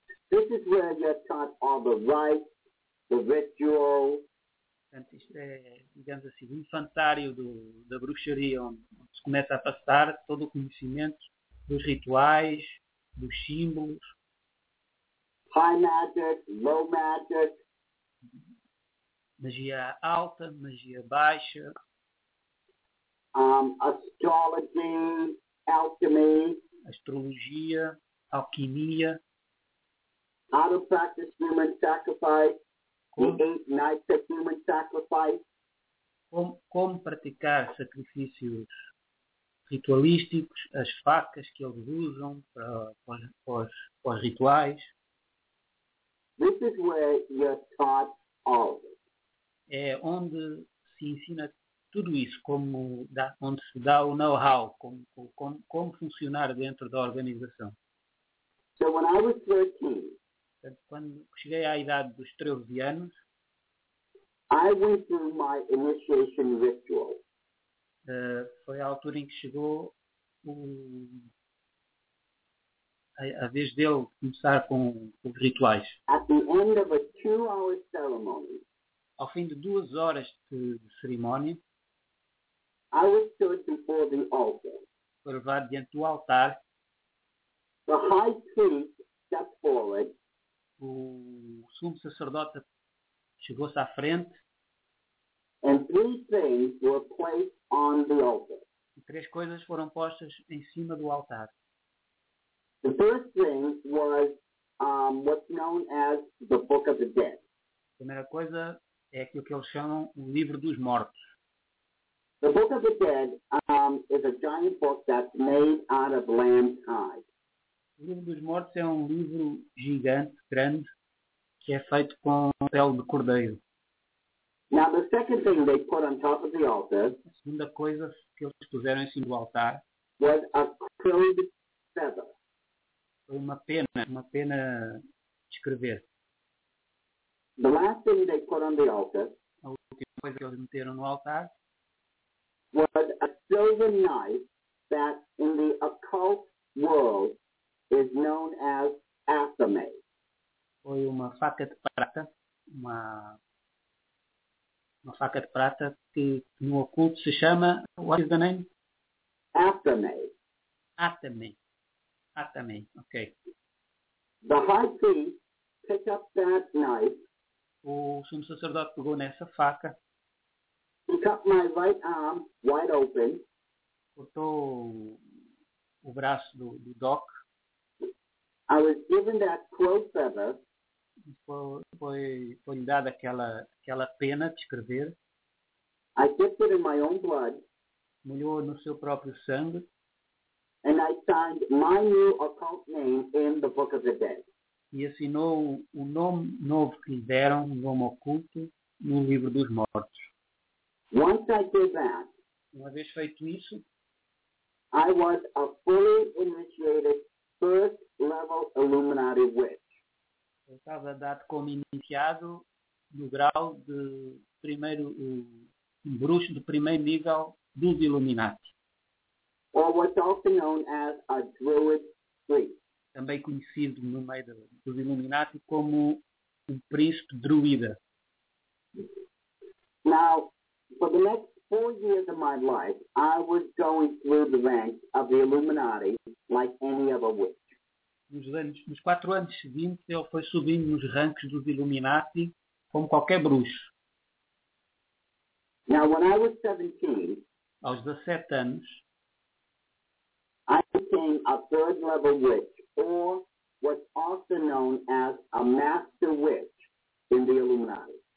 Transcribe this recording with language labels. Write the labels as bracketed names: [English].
[English] This is where you're taught all the rites, the ritual. [Portuguese] Portanto, isto é, digamos assim, o infantário da bruxaria, onde se começa a passar todo o conhecimento dos rituais, dos símbolos. [English] High magic, low magic. [Portuguese] Magia alta, magia baixa. [English] Astrology, alchemy. [Portuguese] Astrologia, alquimia. [English] How to practice human sacrifice. The 8 nights of human sacrifice. [Portuguese] Como praticar sacrifícios ritualísticos, as facas que eles usam para os rituais. [English] This is where you're taught all of it. [Portuguese] É onde se ensina tudo isso, onde se dá o know-how, como funcionar dentro da organização. [English] So when I was 13, [Portuguese] portanto, quando cheguei à idade dos 13 anos, [English] I went through my initiation ritual. [Portuguese] Foi a altura em que chegou a vez dele começar com os rituais. [English] At the end of a 2-hour ceremony, [Portuguese] ao fim de 2 horas de cerimónia, [English] I was stood before the altar. [Portuguese] Foi levado diante do altar. [English] The high priest stepped forward. [Portuguese] O sumo sacerdote chegou-se à frente. [English] And 3 things were placed on the altar. [Portuguese] E 3 coisas foram postas em cima do altar. [English] The first thing was what's known as the Book of the Dead. [Portuguese] A primeira coisa é aquilo que eles chamam o Livro dos Mortos. [English] The Book of the Dead is a giant book that's made out of lamb's hide. [Portuguese] O Livro dos Mortos é um livro gigante, grande, que é feito com pele de cordeiro. [English] Now the second thing they put on top of the altar, [Portuguese] a segunda coisa que eles puseram em cima do altar, [English] was a crude feather. [Portuguese] Foi uma pena de escrever. [English] The last thing they put on the altar, [Portuguese] a última coisa que eles meteram no altar, [English] was a silver knife that in the occult world is known as anathema. [Portuguese] Foi uma faca de prata, uma faca de prata que no oculto se chama, [English] what is the name? Anathema. Anathema, ok. The high priest picked up that knife. [Portuguese] O sumo sacerdote pegou nessa faca. [English] He cut my right arm wide open. [Portuguese] Cortou o braço do Doc. [English] I was given that crow feather. [Portuguese] Foi lhe dada aquela pena de escrever. [English] I dipped it in my own blood. [Portuguese] Molhou no seu próprio sangue. [English] And I signed my new occult name in the Book of the Dead. [Portuguese] E assinou o nome novo que lhe deram, um nome oculto, no Livro dos Mortos. [English] Once I did that, [Portuguese] uma vez feito isso, [English] I was a fully initiated first level Illuminati witch. [Portuguese] Eu estava dado como iniciado no grau de primeiro bruxo de primeiro nível dos Illuminati. [English] Or what's also known as a druid priest. [Portuguese] Também conhecido no meio dos Illuminati como um príncipe druida. [English] Now, for the next 4 years of my life, I was going through the ranks of the Illuminati like any other witch. [Portuguese] Nos 4 anos seguintes, ele foi subindo nos ranks dos Illuminati como qualquer bruxo. [English] Now, when I was 17, [Portuguese] aos 17 anos, [English] I became a third level witch. Or what's also known as a master witch in the Illuminati.